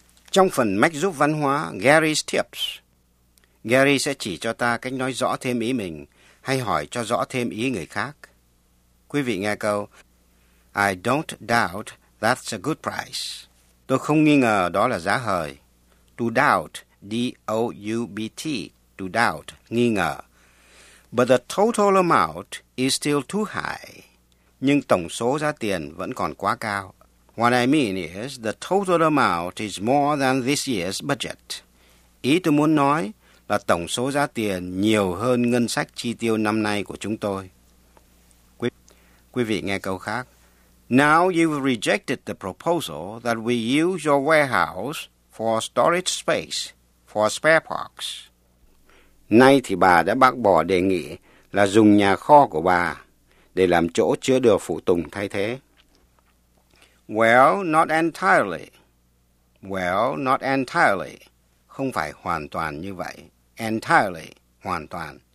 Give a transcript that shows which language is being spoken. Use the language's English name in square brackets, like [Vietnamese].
[Vietnamese] Trong phần mách giúp văn hóa, [English] Gary's tips. [Vietnamese] Gary sẽ chỉ cho ta cách nói rõ thêm ý mình hay hỏi cho rõ thêm ý người khác. Quý vị nghe câu, [English] I don't doubt that's a good price. [Vietnamese] Tôi không nghi ngờ đó là giá hời. [English] To doubt, D-O-U-B-T, to doubt, [Vietnamese] nghi ngờ. [English] But the total amount is still too high. [Vietnamese] Nhưng tổng số giá tiền vẫn còn quá cao. [English] What I mean is, the total amount is more than this year's budget. [Vietnamese] Ý tôi muốn nói là tổng số giá tiền nhiều hơn ngân sách chi tiêu năm nay của chúng tôi. Quý vị nghe câu khác. [English] Now you've rejected the proposal that we use your warehouse for storage space, for spare parts. [Vietnamese] Nay thì bà đã bác bỏ đề nghị là dùng nhà kho của bà để làm chỗ chứa đồ phụ tùng thay thế. [English] Well, not entirely. Well, not entirely. [Vietnamese] Không phải hoàn toàn như vậy. Entirely, hoàn toàn.